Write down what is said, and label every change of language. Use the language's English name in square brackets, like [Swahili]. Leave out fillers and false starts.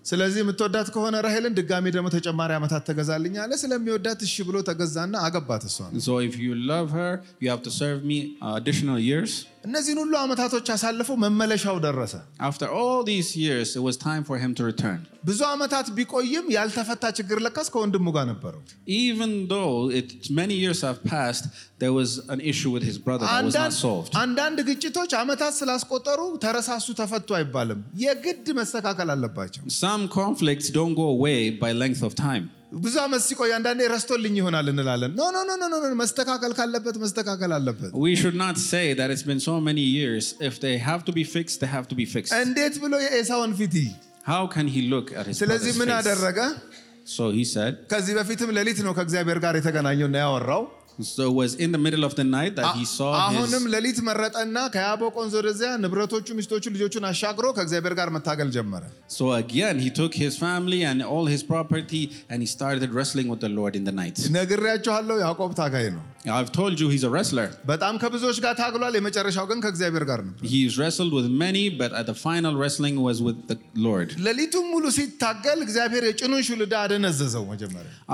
[Amharic] ስለዚህ ምትወዳት ከሆነ ራሄልን ድጋሚ ደሞ ጨማሪያ መታ ተገዛልኝ አለ ስለሚወዳት እሺ ብሎ ተገዛና አገባት እሷን. [English] So if you love her you have to serve me additional years. [Amharic] እነዚህን ሁሉ አመታቶች አሳልፎ መመለሻው ደረሰ. [English] After all these years it was time for him to return. [Amharic] ብዙ አመታት ቢቆይም ያልተፈታ ችግር ለቀስ ከወንድሙ ጋር ነበረው. [English] Even though it's many years have passed there was an issue with his brother that was not solved. [Amharic] አንዳንድ ግጭቶች አመታት ስላስቆጠሩ ተረሳሱ ተፈቱ አይባልም የግድ መስተካከል አለባቸው. [English] Some conflicts don't go away by length of time. [Amharic] ብዙ አመት ሲቆይ አንዳንዴ ረስቶልኝ ይሆናል እንላለን. ኖ መስተካከል ካለበት መስተካከል አለበት. [English] We should not say that it's been so many years if they have to be fixed they have to be fixed. [Amharic] እንዴት ብሎ የኤሳውን ፊት [English] How can he look at his [Amharic] ስለዚህ ምን አደረገ? [English] So he said [Amharic] ከዚህ በፊትም ለሊት ነው ከእግዚአብሔር ጋር የተገናኘው እና ያወራው. [English] So it was in the middle of the night that he saw his [Amharic] አሁንም ለሊት መረጠና ከያቦቆን ዘርዚያ ንብረቶቹ ምስቶቹ ልጆቹን አሻግሮ ከእግዚአብሔር ጋር መታገል ጀመረ. [English] So again he took his family and all his property and he started wrestling with the Lord in the night. [Amharic] ነግሬያችኋለሁ ያዕቆብ ታጋይ ነው. [English] I've told you he's a wrestler. [Amharic] በጣም ከብዙዎች ጋር ታግሏል የመጨረሻው ግን ከእግዚአብሔር ጋር ነበር. [English] He has wrestled with many but at the final wrestling was with the Lord. [Amharic] ለሊቱ ሙሉ ሲታገል እግዚአብሔር የጭኑን ሹልዳ አደነዘዘው መጀመሪያ.